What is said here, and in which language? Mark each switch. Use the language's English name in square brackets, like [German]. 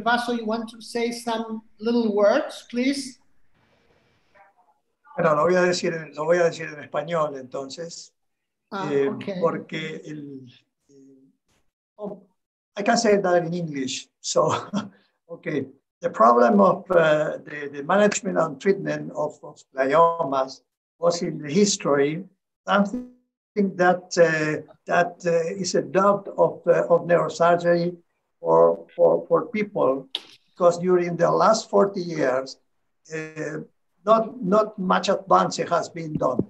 [English] Basso, you want to say some little words, please? [Spanish] Bueno, lo voy a decir en español, entonces. [English] Okay. [Spanish] Porque el... [English] Oh, I can say that in English, so, okay. The problem of the management and treatment of gliomas was in the history something that is a doubt of neurosurgery for people, because during the last 40 years, not much advance has been done.